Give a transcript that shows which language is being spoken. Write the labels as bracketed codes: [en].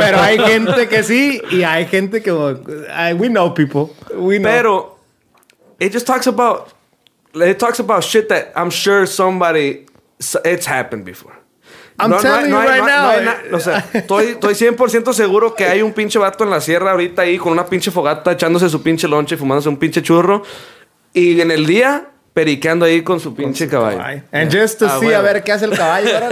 [es] Pero hay gente que sí y hay gente que... [en] we know people. We know. [es] Pero [en] it just talks about shit that I'm sure somebody... It's happened before. I'm telling you right now. [es] No, o sea, estoy 100% seguro que hay un pinche vato en la sierra ahorita ahí con una pinche fogata echándose su pinche lonche, fumándose un pinche churro y en el día periqueando ahí con su pinche caballo. [en] And yeah. Just to see [es] a ver qué hace el caballo.